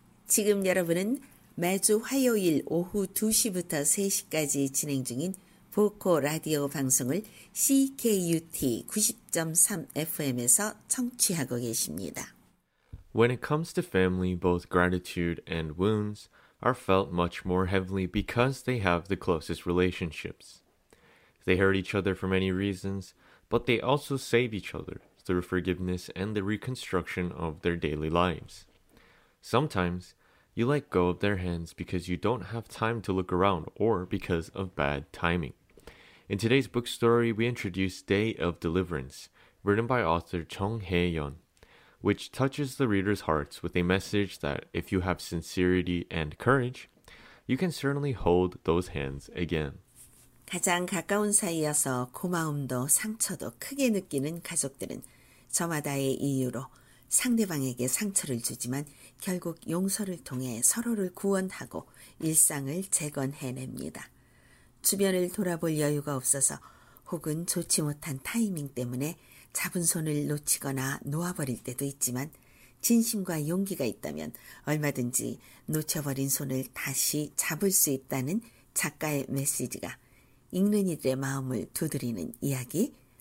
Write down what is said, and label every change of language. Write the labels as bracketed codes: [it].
[ko] 지금 여러분은 매주 화요일 오후 2시부터 3시까지 진행 중인 보코 라디오 방송을 CKUT 90.3 FM에서 청취하고 계십니다. [en] When it comes to family, both gratitude and wounds are felt much more heavily because they have the closest relationships. They hurt each other for many reasons, but they also save each other through forgiveness and the reconstruction of their daily lives. Sometimes, you let go of their hands because you don't have time to look around or because of bad timing. In today's book story, we introduce Day of Deliverance, written by author Chung Hae-yeon, which touches the reader's hearts with a message that if you have sincerity and courage, you can certainly hold those hands again. [ko] 가장 가까운 사이여서 고마움도 상처도 크게 느끼는 가족들은 저마다의 이유로 상대방에게 상처를 주지만 결국 용서를 통해 서로를 구원하고 일상을 재건해냅니다. 주변을 돌아볼 여유가 없어서 혹은 좋지 못한 타이밍 때문에 잡은 손을 놓치거나 놓아버릴 때도 있지만 진심과 용기가 있다면 얼마든지 놓쳐버린 손을 다시 잡을 수 있다는 작가의 메시지가 읽는 이들의 마음을 두드리는 이야기.